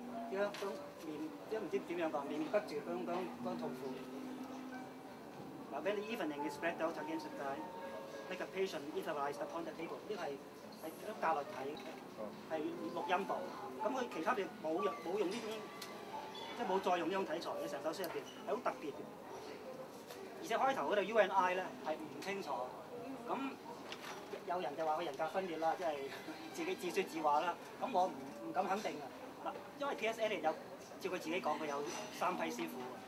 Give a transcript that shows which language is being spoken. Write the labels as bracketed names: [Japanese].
[Cantonese] 一種面，即係唔知點樣講，面不絕嗰種痛苦。 [English] 嗱 ，when the evening is spread out against the sky, like a patient etherized upon the table， [Cantonese] 呢係喺格律體，係錄音部。咁佢其他嘅冇用呢種，即係冇再用呢種題材嘅成首詩入邊，係好特別。而且開頭嗰度 U and I 咧係唔清楚，咁有人就話佢人格分裂啦，即係自己自説自話啦。咁我唔敢肯定啊。因為 T.S. Eliot 有照佢自己講，佢有三批師傅。